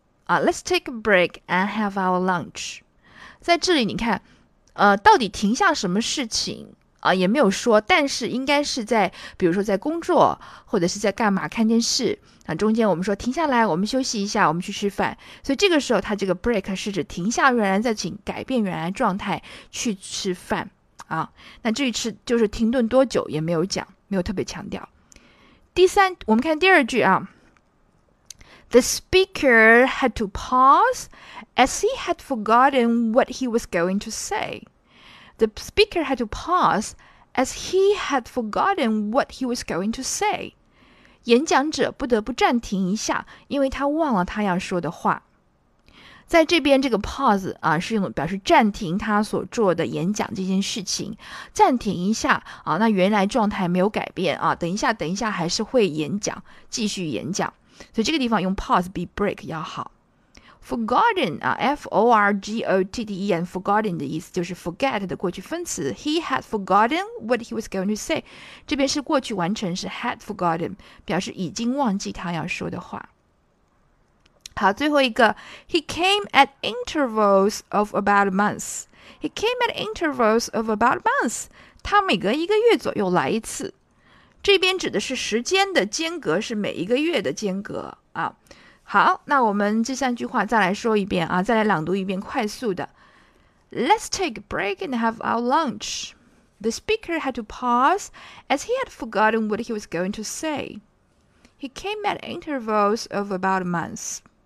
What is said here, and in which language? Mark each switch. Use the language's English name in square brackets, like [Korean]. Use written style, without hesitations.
[English] Let's take a break and have our lunch. [Chinese] 在这里你看到底停下什么事情也没有说，但是应该是在比如说在工作或者是在干嘛看电视中间我们说停下来，我们休息一下，我们去吃饭。所以这个时候它这个 break 是指停下原来再请改变原来状态去吃饭那至于吃就是停顿多久也没有讲，没有特别强调。第三，我们看第二句啊。 [English] The speaker had to pause as he had forgotten what he was going to say. The speaker had to pause as he had forgotten what he was going to say. [Chinese] 演讲者不得不暂停一下，因为他忘了他要说的话。在这边这个 pause 是用表示暂停他所做的演讲这件事情，暂停一下那原来状态没有改变等一下还是会演讲，继续演讲。所以这个地方用 pause 比 break 要好。Forgotten 啊 ，F-O-R-G-O-T-T-E-N， forgotten 的意思就是 forget 的过去分词。 [English] He had forgotten what he was going to say。 [Chinese] 这边是过去完成时 had forgotten， 表示已经忘记他要说的话。好，最后一个 [English] ，He came at intervals of about a month。 He came at intervals of about a month。 [Chinese] 他每隔一个月左右来一次。这边指的是时间的间隔，是每一个月的间隔好，那我们这三句话再来说一遍再来朗读一遍，快速的。 [English] Let's take a break and have our lunch. The speaker had to pause as he had forgotten what he was going to say. He came at intervals of about a month.